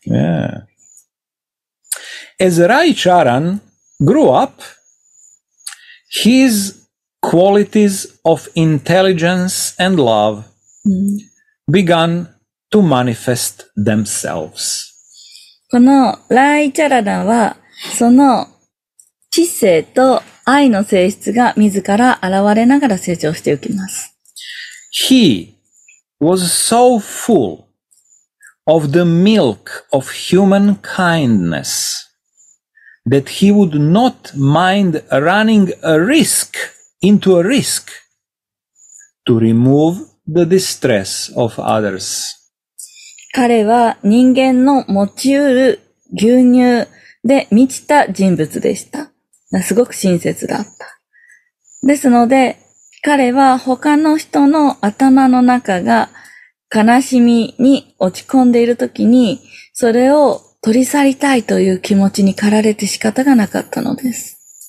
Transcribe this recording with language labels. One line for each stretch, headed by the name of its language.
English: Yeah. As Rai Charan grew up, his qualities of intelligence and love began to manifest themselves.
Japanese: このライ・チャラナは、その知性と愛の性質が自ら現れながら成長していきます。
English: He was so full of the milk of human kindness that he would not mind running a risk into a risk to remove the distress of others.
Japanese: 彼は人間の持ちうる牛乳で満ちた人物でした。すごく親切だった。ですので、彼は他の人の頭の中が悲しみに落ち込んでいるときに、それを取り去りたいという気持ちに駆られて仕方がなかったのです。